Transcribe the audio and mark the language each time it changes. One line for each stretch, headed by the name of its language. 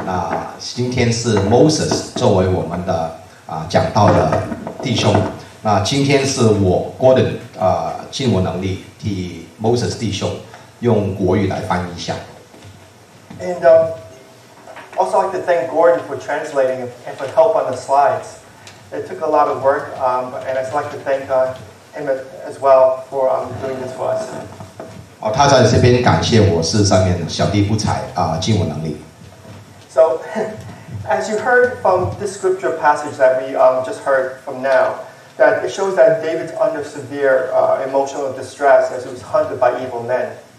Chinese: 他已经5年没有休息过了，是时候他可以去加州跟他的闺女享受一些家庭温暖，那今天是 Moses 作为我们的讲道的弟兄，那今天是我 Gordon 尽我能力替 Moses 弟兄用国语来翻译一下。
English: And also like to thank Gordon for translating and for help on the slides. It took a lot of work, and I'd like to thank him as well for doing this for us.
Chinese: 哦，他在这边感谢我是上面小弟不才啊，尽我能力。
English: So, as you heard from the scripture passage that we just heard from now, that it shows that David's under severe emotional distress as he was hunted by evil men.